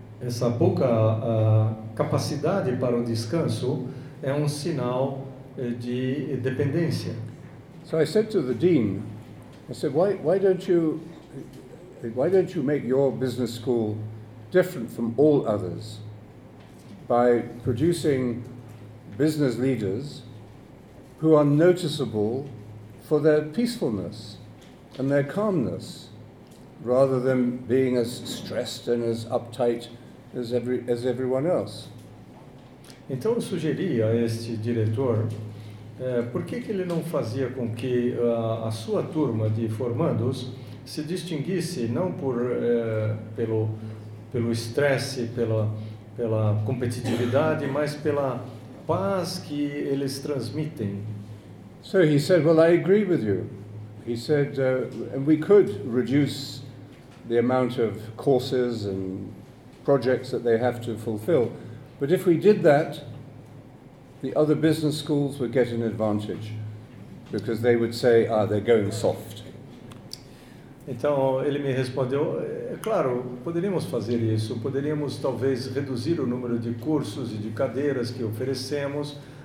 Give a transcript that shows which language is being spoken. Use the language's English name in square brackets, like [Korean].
[Portuguese] Essa pouca capacidade para o descanso é um sinal de dependência. [English] So I said to the dean, why don't you make your business school different from all others by producing business leaders who are noticeable for their peacefulness and their calmness, rather than being as stressed and as uptight as everyone else. [Portuguese] Então eu sugeri a este diretor, por que que ele não fazia com que a sua turma de formandos se distinguisse não por pelo estresse, pela competitividade, mas pela paz que eles transmitem. [English] So he said, well, I agree with you. He said, and we could reduce the amount of courses and projects that they have to fulfill. But if we did that, the other business schools would get an advantage because they would say, they're going soft. [Portuguese] Então, ele me respondeu, claro, poderíamos fazer isso. Poderíamos, talvez, reduzir o número de cursos e de cadeiras que oferecemos.